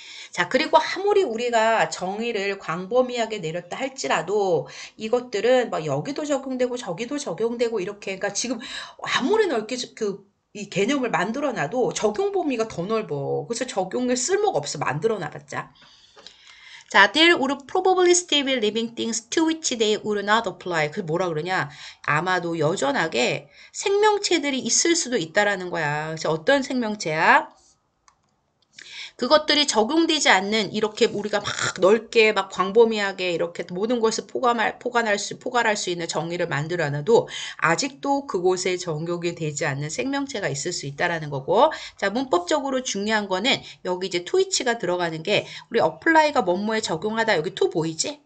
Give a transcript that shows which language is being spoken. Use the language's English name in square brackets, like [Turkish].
[Korean] 자, 그리고 아무리 우리가 정의를 광범위하게 내렸다 할지라도 이것들은 막 여기도 적용되고 저기도 적용되고 이렇게, 그러니까 지금 아무리 넓게 그, 이 개념을 만들어 놔도 적용 범위가 더 넓어. 그래서 적용에 쓸모가 없어. 만들어 놔봤자. [English] 자, there would probably still be living things to which they would not apply. [Korean] 그 뭐라 그러냐? 아마도 여전하게 생명체들이 있을 수도 있다라는 거야. 그래서 어떤 생명체야? 그것들이 적용되지 않는, 이렇게 우리가 막 넓게, 막 광범위하게, 이렇게 모든 것을 포괄할 수 있는 정의를 만들어 놔도, 아직도 그곳에 적용이 되지 않는 생명체가 있을 수 있다라는 거고, 자, 문법적으로 중요한 거는, 여기 이제 to which가 들어가는 게, 우리 apply가 뭐뭐에 적용하다, 여기 to 보이지?